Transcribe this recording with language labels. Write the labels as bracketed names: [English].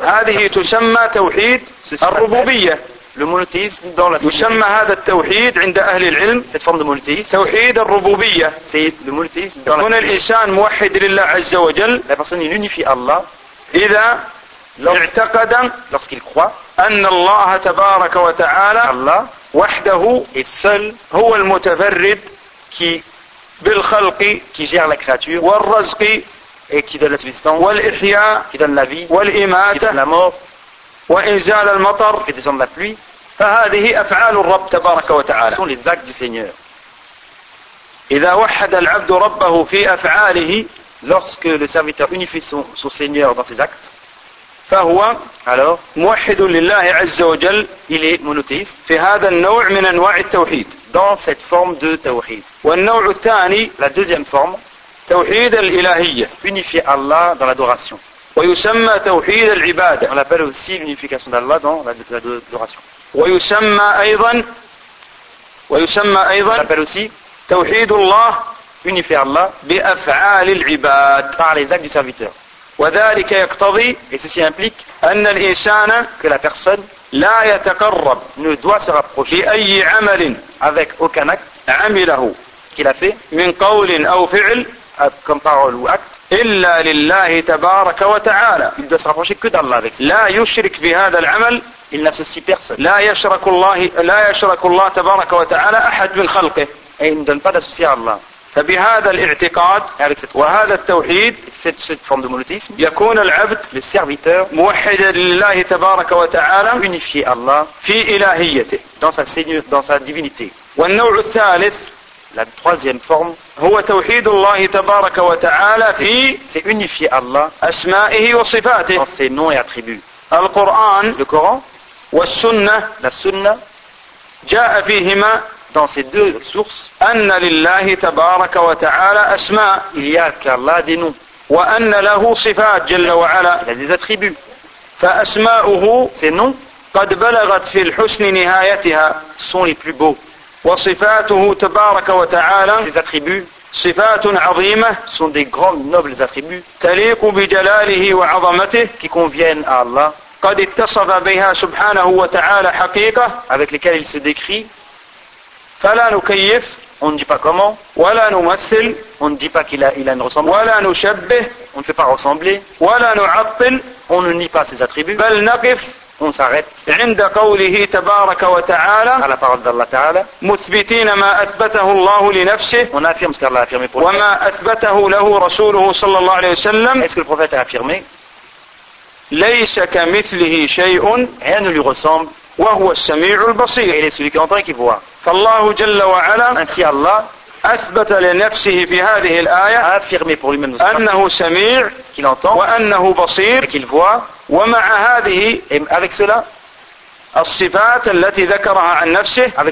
[Arabic] هذه تسمى توحيد الربوبية [French] le monothéisme dans la [Arabic] يسمى هذا التوحيد عند أهل العلم [French] cette forme de monothéisme [Arabic] توحيد الربوبية [French] c'est le monothéisme dans [Arabic] يكون [French] la [Arabic] الإنسان موحد لله عز وجل [French] la personne unifie Allah [Arabic] إذا اعتقد [French] lorsqu'il croit [Arabic] أن الله تبارك وتعالى [French] Allah [Arabic] وحده [French] est seul [Arabic] هو المتفرد [French] qui [Arabic] بالخلق [French] qui gère la créature [Arabic] والرزق [French] et qui donne la subsistance [Arabic] والإحياء [French] qui donne la vie [Arabic] والإماتة [French] qui donne la mort [Arabic] وإنزال المطر [French] qui descend la pluie [Arabic] فهذه أفعال الرب تبارك وتعالى [French] sont les actes du Seigneur. [Arabic] إذا وحد العبد ربه في أفعاله [French] lorsque le serviteur unifie son Seigneur dans ses actes [Arabic] فهو [French] alors [Arabic] موحد لله عز وجل [French] il est monothéiste [Arabic] في هذا النوع من أنواع التوحيد [French] dans cette forme de توحيد [Arabic] والنوع الثاني [French] la deuxième forme [Arabic] توحيد الإلهية [French] unifier Allah dans l'adoration [Arabic] ويسمى توحيد العبادة [French] on l'appelle aussi l'unification d'Allah dans l'adoration [Arabic] ويسمى أيضا [French] on l'appelle aussi [Arabic] توحيد الله [French] unifier Allah [Arabic] بأفعال العباد [French] par les actes du serviteur [Arabic] وذلك يقتضي [French] et ceci implique [Arabic] أن الإنسان [French] que la personne [Arabic] لا يتقرب [French] ne doit se rapprocher [Arabic] بأي عمل [French] avec aucun acte [Arabic] عمله [French] qu'il a fait [Arabic] من قول أو فعل [French] comme parole ou acte [Arabic] إلا لله تبارك وتعالى [French] il doit se rapprocher que d'Allah avec [Arabic] لا يشرك بهذا العمل [French] il n'associe personne [Arabic] لا يشرك الله تبارك وتعالى أحد من خلقه [French] et il ne donne pas d'associé à Allah [Arabic] فبهذا الاعتقاد وهذا التوحيد [French] cette forme de monothéisme [Arabic] يكون العبد [French] le serviteur [Arabic] موحد لله تبارك وتعالى [French] unifié Allah [Arabic] في إلهيته [French] dans sa divinité [Arabic] والنوع الثالث [French] la troisième forme [Arabic] هو توحيد الله تبارك وتعالى في [French] c'est unifié Allah [Arabic] أسمائه وصفاته [French] dans ses noms et attributs [Arabic] القرآن [French] le Coran [Arabic] والسنة [French] la Sunna [Arabic] جاء فيهما [French] dans ces deux sources [Arabic] أن لله تبارك وتعالى أسماء [French] il y a qu'Allah des noms [Arabic] وأن له صفات جل وعلا [French] il a des attributs [Arabic] فأسماؤه [French] ses noms [Arabic] قد بلغت في الحسن نهايتها [French] sont les plus beaux [Arabic] وصفاته تبارك وتعالى [French] ses attributs [Arabic] صفات عظيمة [French] sont des grands nobles attributs [Arabic] تليق بجلاله وعظمته [French] qui conviennent à Allah [Arabic] قد اتصف بها سبحانه وتعالى حقيقة [French] avec lesquelles il se décrit [Arabic] فلا نكيف [French] on ne dit pas comment [Arabic] ولا نمثل [French] on ne dit pas qu'il a une ressemblance [Arabic] ولا نشبه [French] on ne fait pas ressembler [Arabic] ولا نعطل [French] on ne nie pas ses attributs [Arabic] بل نقف [French] on s'arrête [Arabic] عند قوله تبارك وتعالى [French] à la parole d'Allah تعالى [Arabic] مثبتين ما أثبته الله لنفسه [French] on affirme ce qu'Allah a affirmé pour lui [Arabic] وما أثبته له رسوله صلى الله عليه وسلم [French] est-ce que le prophète a affirmé [Arabic] ليس كمثله شيء [French] rien ne lui ressemble [Arabic] وهو السميع البصير [French] il est celui qui entend et qui voit [Arabic] فالله جل وعلا [French] ainsi Allah [Arabic] أثبت لنفسه في هذه الآية أنه سميع وأنه بصير ومع هذه الصفات التي ذكرها عن نفسه